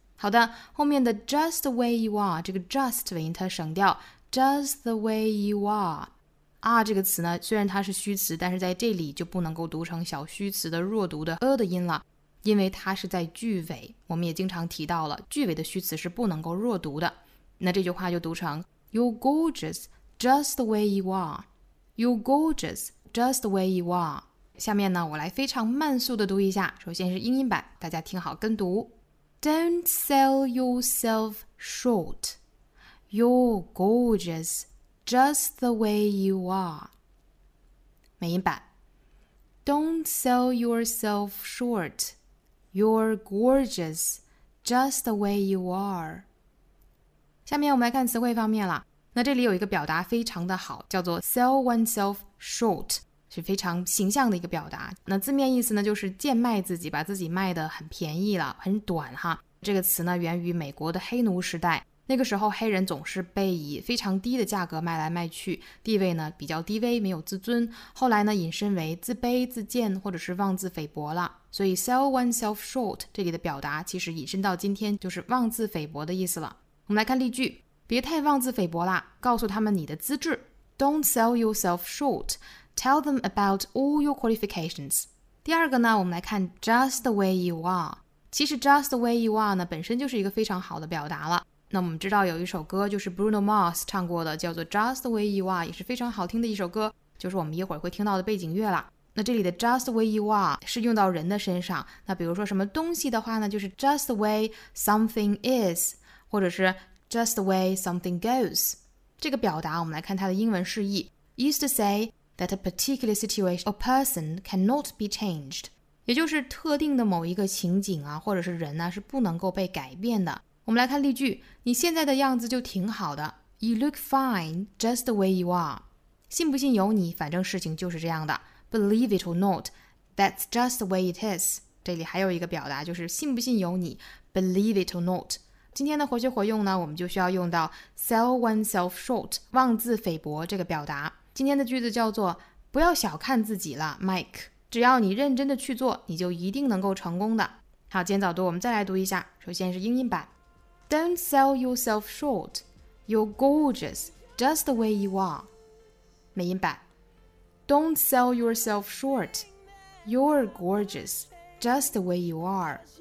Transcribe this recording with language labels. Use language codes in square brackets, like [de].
[zh] 好的，后面的 [en] just the way you are， [zh] 这个 just 尾音它省掉， just the way you are 这个词呢，虽然它是虚词，但是在这里就不能够读成小虚词的弱读的 A 的音了，因为它是在句尾，我们也经常提到了句尾的虚词是不能够弱读的。那这句话就读成 [en] You're gorgeous just the way you are. You're gorgeous just the way you are. [zh] 下面呢，我来非常慢速的读一下。首先是英音版，大家听好跟读。 [en] Don't sell yourself short. You're gorgeous just the way you are. [zh] 美音版。 [en] Don't sell yourself short. You're gorgeous just the way you are. [zh] 下面我们来看词汇方面了。那这里有一个表达非常的好，叫做 [en] sell oneself short， [zh] 是非常形象的一个表达。那字面意思呢，就是贱卖自己，把自己卖得很便宜了，很短哈。这个词呢，源于美国的黑奴时代，那个时候黑人总是被以非常低的价格卖来卖去，地位呢比较低微，没有自尊，后来呢引申为自卑、自贱或者是妄自菲薄了。所以 [en] sell oneself short [zh] 这里的表达其实引申到今天就是妄自菲薄的意思了。我们来看例句，别太妄自菲薄啦，告诉他们你的资质。 [en] Don't sell yourself short. Tell them about all your qualifications. [zh] 第二个呢，我们来看 [en] just the way you are. [zh] 其实 [en] just the way you are [zh] 呢，本身就是一个非常好的表达了。那我们知道有一首歌就是 Bruno Mars 唱过的，叫做 just the way you are， 也是非常好听的一首歌，就是我们一会儿会听到的背景乐了。那这里的 [en] just the way you are [zh] 是用到人的身上，那比如说什么东西的话呢，就是 [en] just the way something is。 [zh] 或者是 [en] just the way something goes， [zh] 这个表达我们来看它的英文释义。 [en] used to say that a particular situation or person cannot be changed， [zh] 也就是特定的某一个情景啊，或者是人呢、是不能够被改变的。我们来看例句，你现在的样子就挺好的。 [en] You look fine just the way you are， [zh] 信不信由你，反正事情就是这样的。 [en] Believe it or not， that's just the way it is。 [zh] 这里还有一个表达就是信不信由你， [en] Believe it or not。 [zh] 今天的活学活用呢，我们就需要用到 [en] sell oneself short， [zh] 妄自菲薄这个表达。今天的句子叫做，不要小看自己了 Mike， 只要你认真的去做，你就一定能够成功的。好，今天早读我们再来读一下，首先是英音版。 [en] Don't sell yourself short. You're gorgeous just the way you are. [zh] 美音版。 [en] Don't sell yourself short. You're gorgeous just the way you are.